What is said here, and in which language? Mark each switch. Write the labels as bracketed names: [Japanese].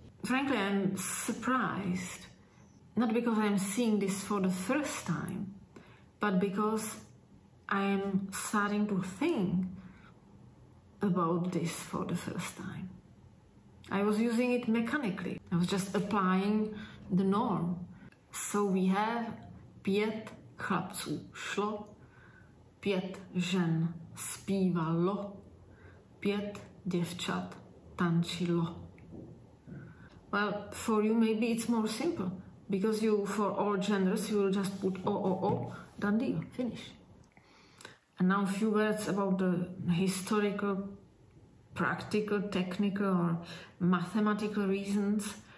[English] Frankly, I'm surprised, not because I'm seeing this for the first time, but because I'm starting to think about this for the first time. I was using it mechanically. I was just applying the norm. So we have [Czech] pět chlapců šlo, pět žen zpívalo, pět děvčat tančilo. [English] Well, for you maybe it's more simple, because you, for all genders, you will just put o, done deal, finish. And now a few words about the historical, practical, technical, or mathematical reasons.